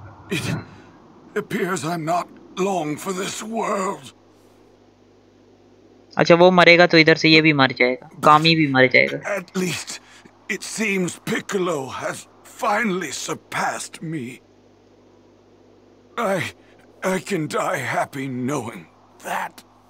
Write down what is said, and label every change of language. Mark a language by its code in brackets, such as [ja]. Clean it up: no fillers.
[en] It appears I'm not long for this world. [hi] अच्छा वो मरेगा तो इधर से ये भी मर जाएगा, गामी भी मर जाएगा। [en] At least it seems Piccolo has finally surpassed me. I can die happy knowing that.